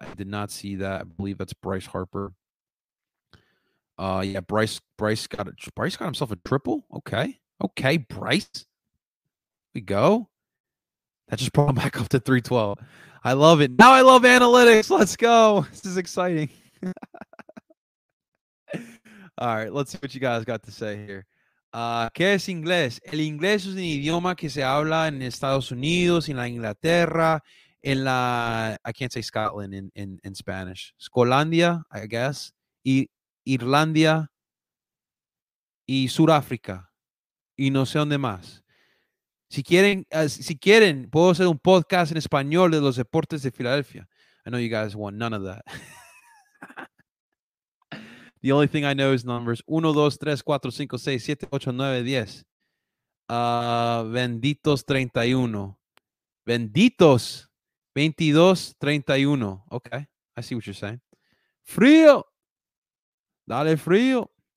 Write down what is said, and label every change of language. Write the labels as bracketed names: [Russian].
[English] I did not see that. I believe that's Bryce Harper. Bryce got Bryce got himself a triple. Okay, Bryce. We go. That just brought him back up to 312. I love it. Now I love analytics. Let's go. This is exciting. All right, let's see what you guys got to say here. [Spanish] ¿Qué es inglés? El inglés es un idioma que se habla en Estados Unidos, en la Inglaterra, en la... [English] I can't say Scotland in Spanish. Scotlandia, I guess. [Spanish] Irlandia. Y Sudáfrica. Y no sé dónde más. Si quieren, puedo hacer un podcast en español de los deportes de Filadelfia. [English] I know you guys want none of that. The only thing I know is numbers. 1, 2, 3, 4, 5, 6, 7, 8, 9, 10. Benditos 31. Benditos 22, 31. Okay. I see what you're saying. Frio. [Spanish] Dale frio.